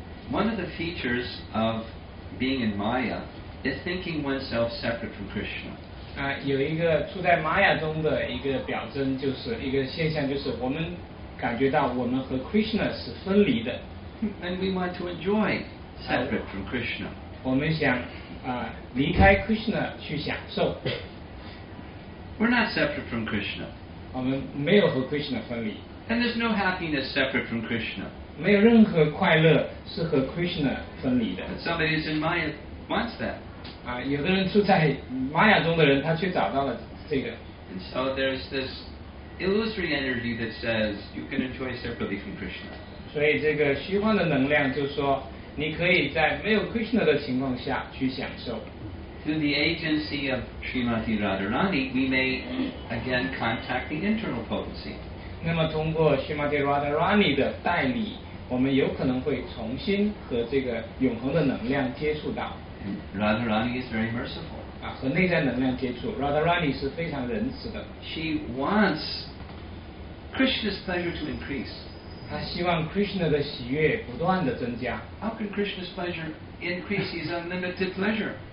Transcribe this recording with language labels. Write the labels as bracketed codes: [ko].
[en] One of the features of being in Maya is thinking oneself separate from Krishna. [zh] 有一个处在Maya中的一个表征，就是一个现象，就是我们感觉到我们和 Krishna 是分离的。 [en] And we want to enjoy separate from Krishna. [zh] 我们想离开 Krishna 去享受。 [en] We're not separate from Krishna. [zh] 我们没有和 Krishna 分离。 [en] And there's no happiness separate from Krishna. [zh] 没有任何快乐是和 Krishna 分离的。 [en] But somebody who's in Maya wants that. [zh] 有的人住在Maya中的人，他却找到了这个。 [en] And so there's this illusory energy that says you can enjoy separately from Krishna. [zh] 所以这个虚幻的能量就说, 你可以在没有 Krishna的情况下去享受。 [en] Through the agency of Srimati Radharani, we may again contact the internal potency. [zh] 那么通过 Srimati Radharani的代理, 我们有可能会重新和这个永恒的能量接触到。 [en] Radharani is very merciful. [zh] 和内在能量接触, Radharani是非常仁慈的。 [en] She wants Krishna's pleasure to increase. [zh] 他希望 Krishna的喜悦不断地增加。 [en] How can Krishna's pleasure increase his unlimited pleasure?